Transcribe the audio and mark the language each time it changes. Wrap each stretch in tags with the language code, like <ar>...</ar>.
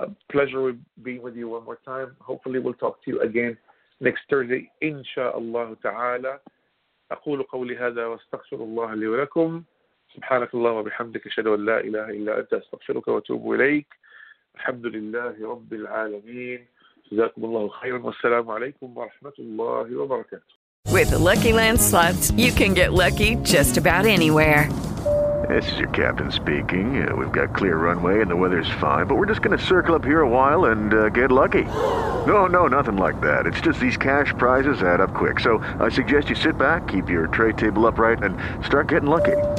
<en>Pleasure with being with you one more time. Hopefully we'll talk to you again next Thursday, inshallah ta'ala.</en> <ar>أقول قولي هذا واستغفر الله لي ولكم. سبحانك اللهم وبحمدك أشهد أن لا إله إلا أنت أستغفرك وأتوب إليك. الحمد لله رب العالمين. جزاكم الله خيرا والسلام عليكم ورحمة الله وبركاته.</ar> <en>With Lucky Land Slots, you can get lucky just about anywhere. This is your captain speaking. We've got clear runway and the weather's fine, but we're just going to circle up here a while and get lucky. No, no, nothing like that. It's just these cash prizes add up quick. So I suggest you sit back, keep your tray table upright, and start getting lucky.</en>